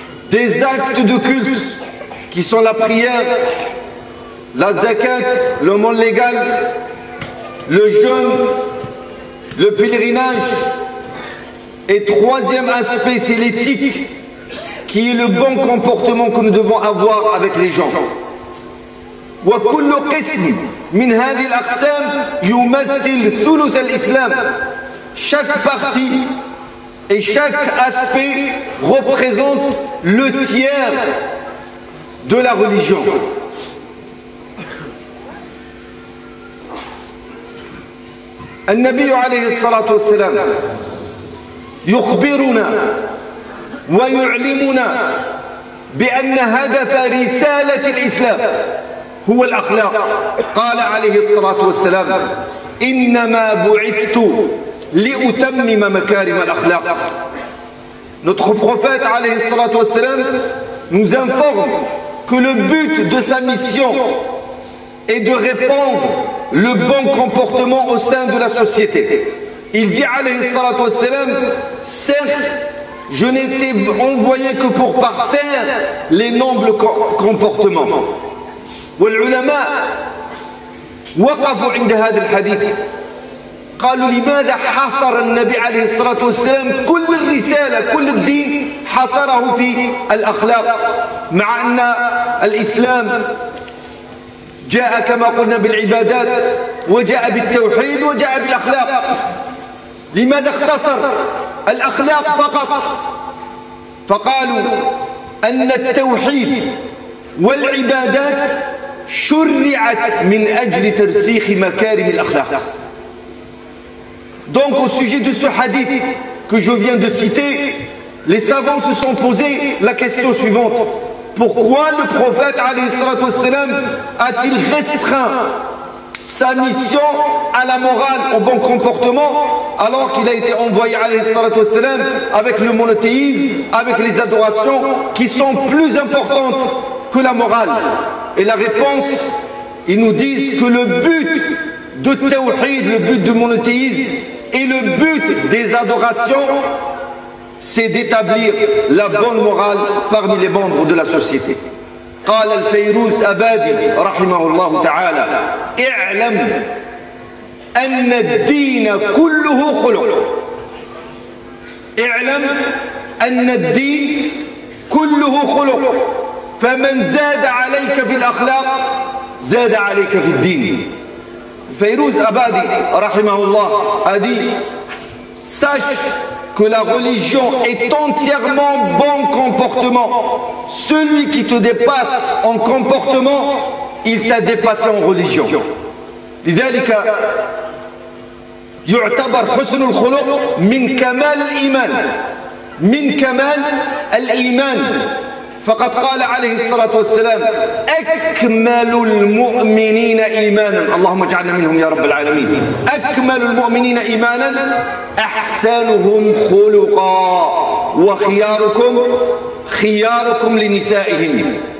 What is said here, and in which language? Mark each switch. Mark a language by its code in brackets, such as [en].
[fr] Des actes de culte qui sont la prière, la zakat, le monde légal, le jeûne, le pèlerinage. Et troisième aspect, c'est l'éthique, qui est le bon comportement que nous devons avoir avec les gens. [ar] وكل قسم من هذه الأقسام يمثل ثلث الإسلام. [fr] Chaque partie et chaque aspect représente le tiers de la religion. [ar] النبي عليه الصلاة والسلام يخبرنا ويعلمنا بأن هدف رسالة الإسلام هو الأخلاق. قال عليه الصلاة والسلام: إنما بعثت لأتمم مكارم الأخلاق. [fr] Notre prophète [ar] عليه الصلاة والسلام [fr] nous informe que le but de sa mission est de répandre le bon comportement au sein de la société. Il dit [ar] عليه الصلاة والسلام: [fr] certes, je n'étais envoyé que pour parfaire les nobles comportements. [ar] والعلماء وقفوا عند هذا الحديث قالوا لماذا حصر النبي عليه الصلاة والسلام كل الرسالة كل الدين حصره في الأخلاق مع أن الإسلام جاء كما قلنا بالعبادات وجاء بالتوحيد وجاء بالأخلاق لماذا اختصر الأخلاق فقط فقالوا أن التوحيد والعبادات شرعت من أجل ترسيخ مكارم الأخلاق. [fr] Donc au sujet de ce hadith que je viens de citer, les savants se sont posés la question suivante: pourquoi le prophète [ar] عليه الصلاة والسلام [fr] a-t-il restreint sa mission à la morale, au bon comportement, alors qu'il a été envoyé عليه الصلاة والسلام avec le monothéisme, avec les adorations qui sont plus importantes que la morale? Et la réponse, ils nous disent que le but de tawhid, le but du monothéisme et le but des adorations, c'est d'établir la bonne morale parmi les membres de la société. [ar] قال الفيروز أبادي رحمه الله تعالى اعلم أن الدين كله خلق اعلم أن الدين كله خلق فمن زاد عليك في الأخلاق زاد عليك في الدين. [fr] فيروز أبادي [ar] رحمه الله أدي [fr] sache que la religion est entièrement bon comportement. Celui qui te dépasse en comportement, il t'a dépassé en religion. [ar] لذلك يعتبر حسن الخلق من كمال الإيمان من كمال الإيمان. فقد قال عليه الصلاة والسلام أكمل المؤمنين إيمانا اللهم اجعلنا منهم يا رب العالمين أكمل المؤمنين إيمانا أحسنهم خلقا وخياركم خياركم لنسائهم.